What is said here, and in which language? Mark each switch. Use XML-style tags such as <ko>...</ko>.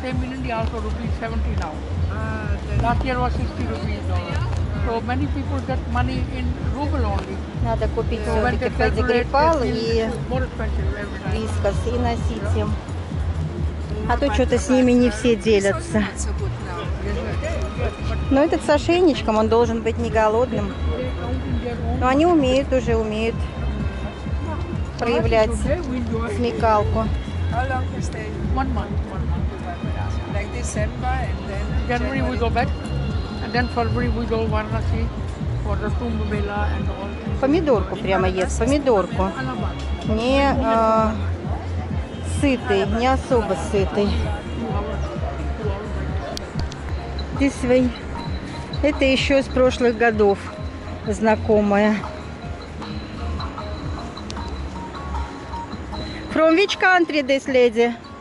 <en>Same in India also rupees 70 now. Last year was 60 rupees dollar. So many people get money in ruble only.</en> <ru>Надо купить все-таки фальдегрипал и вискас и носить им. А то что-то с ними не все делятся. Но этот с ошейничком, он должен быть не голодным. Но они умеют, уже умеют проявлять смекалку.</ru> <en>How long you stay? One month. Like December and then January we go back. And then February we go Varanasi for the Kumbh Mela and all.</en> <ru>Помидорку прямо ест, помидорку. Не сытый, не особо сытый. Здесь свои. Это еще с прошлых годов знакомая.</ru> <en>From which country this lady?</en>